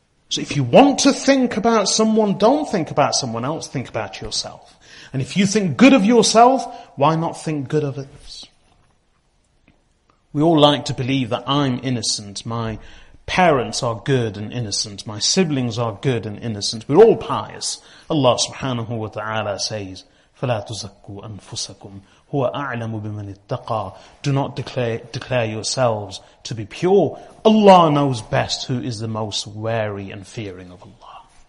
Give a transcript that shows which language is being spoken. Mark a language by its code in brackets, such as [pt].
[en] So if you want to think about someone, don't think about someone else, think about yourself. And if you think good of yourself, why not think good of others? We all like to believe that I'm innocent, my parents are good and innocent. My siblings are good and innocent. We're all pious. Allah subhanahu wa ta'ala says, [ar] فَلَا تُزَكُّوا أَنفُسَكُمْ هُوَ أَعْلَمُ بِمَنِ اتَّقَى. [en] Do not declare yourselves to be pure. Allah knows best who is the most wary and fearing of Allah.